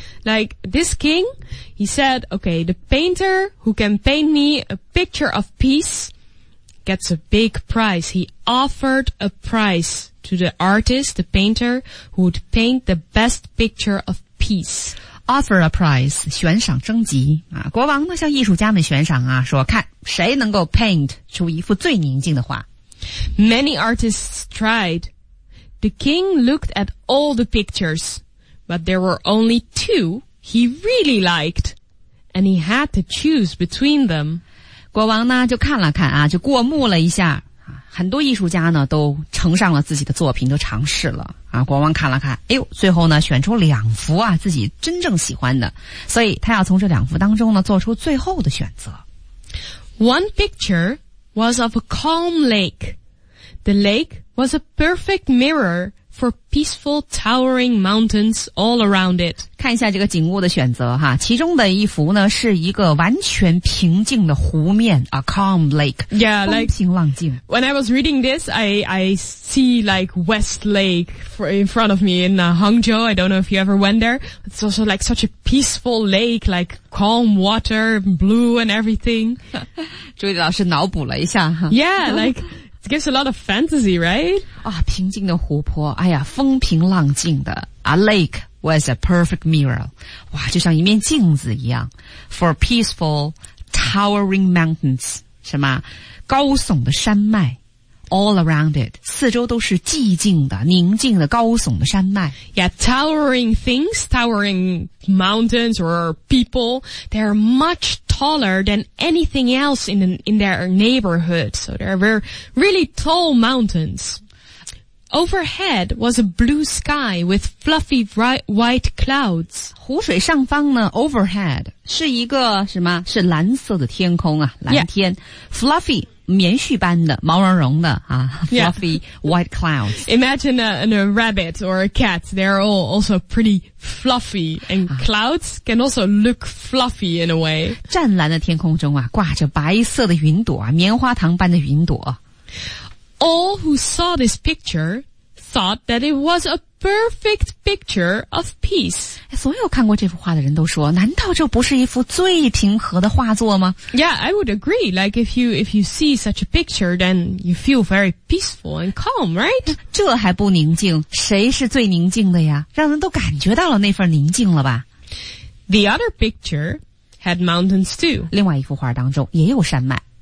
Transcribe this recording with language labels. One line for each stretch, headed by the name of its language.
English: Like, this king, he said, okay, the painter who can paint me a picture of peace gets a big prize. He offered a prize to the artist, the painter, who would paint the best picture of peace. Offer a prize,
Chinese: 悬赏征集。啊，国王呢，向艺术家们悬赏啊，说看谁能够 paint 出一幅最宁静的画。
English: Many artists tried. The king looked at all the pictures, but there were only two he really liked, and he had to choose between them.
Chinese: 国王呢就看了看啊，就过目了一下，很多艺术家呢都呈上了自己的作品，都尝试了啊。国王看了看，哎呦，最后呢选出两幅啊自己真正喜欢的，所以他要从这两幅当中呢做出最后的选择。
English: One picture was of a calm lake. The lake was a perfect mirror for peaceful towering mountains all around it.
Chinese: 看一下这个景物的选择哈，其中的一幅呢是一个完全平静的湖面，
English: a calm lake. Yeah, like,
Chinese: 风平浪静。
English: When I was reading this, I see like West Lake in front of me in Hangzhou. I don't know if you ever went there. It's also like such a peaceful lake, like calm water, blue and everything.
Chinese: 朱莉老师脑补了一下哈。
English: Yeah, like, it gives a lot of fantasy, right?
Chinese: 啊，平静的湖泊，哎呀，风平浪静的。
English: A lake was a perfect mirror.
Chinese: 哇，就像一面镜子一样。
English: For peaceful towering mountains.
Chinese: 什么？高耸的山脉。
English: All around it.
Chinese: 四周都是寂静的，宁静的，高耸的山脉。
English: Yeah, towering things, towering mountains or people, they are much taller than anything else in their neighborhood. So there were really tall mountains. Overhead was a blue sky with fluffy white clouds.
Chinese: 湖水上方呢 ,overhead, 是一个什么？是蓝色的天空啊，蓝天。
English: Yeah.
Chinese: Fluffy, 棉絮般的，毛茸茸的啊 ,fluffy
English: yeah. white clouds. Imagine a rabbit or a cat, they're all also pretty fluffy, and clouds can also look fluffy in a way.
Chinese: 湛蓝的天空中啊，挂着白色的云朵，棉花糖般的云朵。
English: All who saw this picture thought that it was a perfect picture of peace.
Chinese: 所有看过这幅画的人都说，难道这不是一幅最平和的画作吗？
English: Yeah, I would agree. Like if you see such a picture, then you feel very peaceful and calm, right?
Chinese: 这还不宁静，谁是最宁静的呀？让人都感觉到了那份宁静了吧？
English: The other picture had mountains too.
Chinese: 另外一幅画当中也有山脉。